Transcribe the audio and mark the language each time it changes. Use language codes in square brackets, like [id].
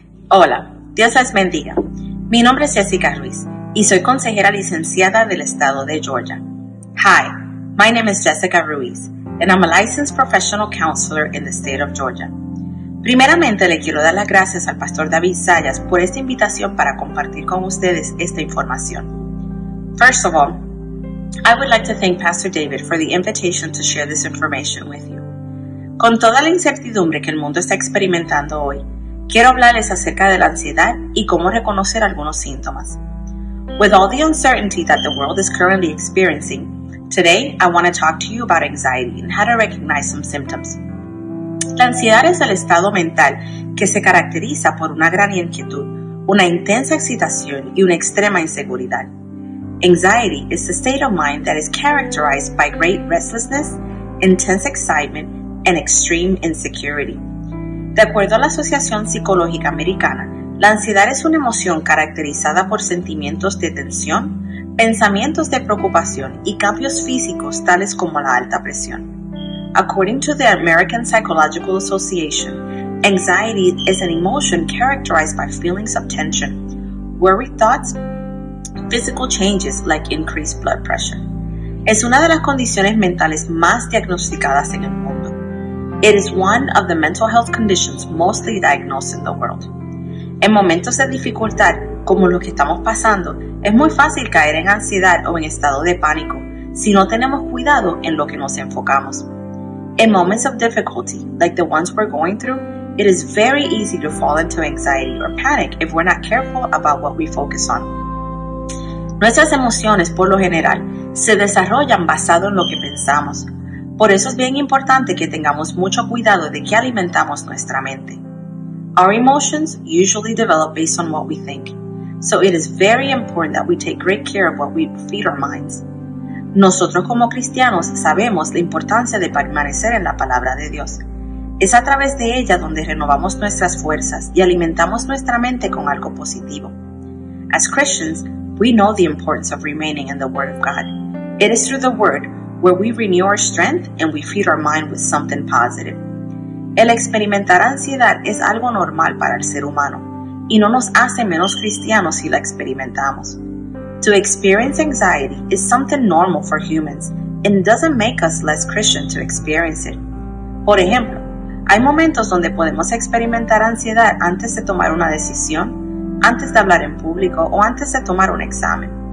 [es] Hola, Dios les bendiga. Mi nombre es Jessica Ruiz y soy consejera licenciada del estado de Georgia. [en] Hi, my name is Jessica Ruiz and I'm a licensed professional counselor in the state of Georgia. [es] Primeramente, le quiero dar las gracias al pastor David Sayas por esta invitación para compartir con ustedes esta información. [en] First of all, I would like to thank Pastor David for the invitation to share this information with you. [es] Con toda la incertidumbre que el mundo está experimentando hoy, quiero hablarles acerca de la ansiedad y cómo reconocer algunos síntomas. [en] With all the uncertainty that the world is currently experiencing, today I want to talk to you about anxiety and how to recognize some symptoms. [es] La ansiedad es el estado mental que se caracteriza por una gran inquietud, una intensa excitación y una extrema inseguridad. [en] Anxiety is the state of mind that is characterized by great restlessness, intense excitement, and extreme insecurity. [es] De acuerdo a la Asociación Psicológica Americana, la ansiedad es una emoción caracterizada por sentimientos de tensión, pensamientos de preocupación y cambios físicos tales como la alta presión. [en] According to the American Psychological Association, anxiety is an emotion characterized by feelings of tension, worried thoughts, physical changes like increased blood pressure. [es] Es una de las condiciones mentales más diagnosticadas en el mundo. [en] It is one of the mental health conditions mostly diagnosed in the world. [es] En momentos de dificultad, como los que estamos pasando, es muy fácil caer en ansiedad o en estado de pánico si no tenemos cuidado en lo que nos enfocamos. [en] In moments of difficulty, like the ones we're going through, it is very easy to fall into anxiety or panic if we're not careful about what we focus on. [es] Nuestras emociones, por lo general, se desarrollan basado en lo que pensamos. Por eso es bien importante que tengamos mucho cuidado de qué alimentamos nuestra mente. [en] Our emotions usually develop based on what we think, so it is very important that we take great care of what we feed our minds. [es] Nosotros como cristianos sabemos la importancia de permanecer en la palabra de Dios. Es a través de ella donde renovamos nuestras fuerzas y alimentamos nuestra mente con algo positivo. [en] As Christians, we know the importance of remaining in the Word of God. It is through the Word where we renew our strength and we feed our mind with something positive. [es] El experimentar ansiedad es algo normal para el ser humano y no nos hace menos cristianos si la experimentamos. [en] To experience anxiety is something normal for humans and doesn't make us less Christian to experience it. [es] Por ejemplo, hay momentos donde podemos experimentar ansiedad antes de tomar una decisión, antes de hablar en público o antes de tomar un examen.